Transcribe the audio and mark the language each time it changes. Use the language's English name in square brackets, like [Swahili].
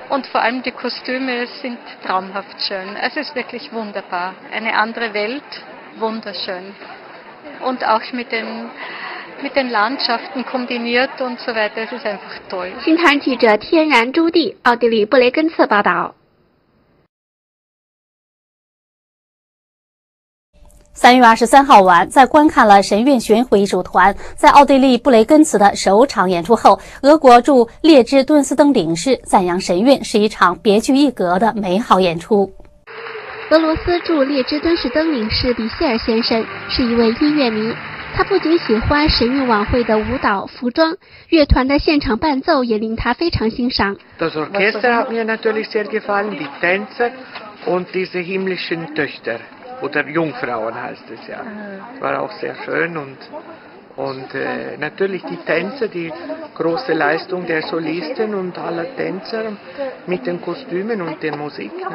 [German] Und vor allem die Kostüme sind traumhaft schön. Es ist wirklich wunderbar. Eine andere Welt, wunderschön. Und auch mit den Landschaften kombiniert und so weiter, es ist einfach toll. [Chinese] 新唐记者天然朱棣，奥地利布雷根茨报道。 3月23日晚，在观看了神韵巡回艺术团在奥地利布雷根茨的首场演出后，俄国驻列支敦斯登领事赞扬神韵是一场别具一格的美好演出。俄罗斯驻列支敦斯登领事比谢尔先生是一位音乐迷，他不仅喜欢神韵晚会的舞蹈、服装，乐团的现场伴奏也令他非常欣赏。 [German] Das Orchester hat mir natürlich sehr gefallen, die Tänzer und diese himmlischen Töchter. Oder Jungfrauen heißt es ja. War auch sehr schön und natürlich die Tänzer, die große Leistung der Solisten und aller Tänzer mit den Kostümen und der Musik.